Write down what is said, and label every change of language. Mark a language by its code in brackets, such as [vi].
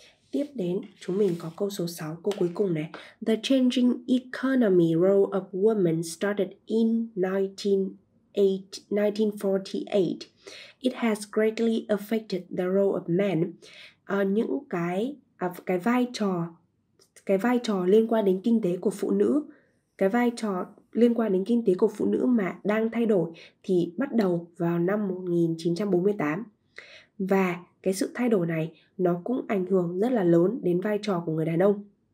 [vi] Tiếp đến chúng mình có câu số 6, câu cuối cùng này: [en] The changing economy role of women started in 1948. It has greatly affected the role of men. [vi] Cái vai trò liên quan đến kinh tế của phụ nữ, cái vai trò liên quan đến kinh tế của phụ nữ mà đang thay đổi thì bắt đầu vào năm 1948. Và cái sự thay đổi này nó cũng ảnh hưởng rất là lớn đến vai trò của người đàn ông.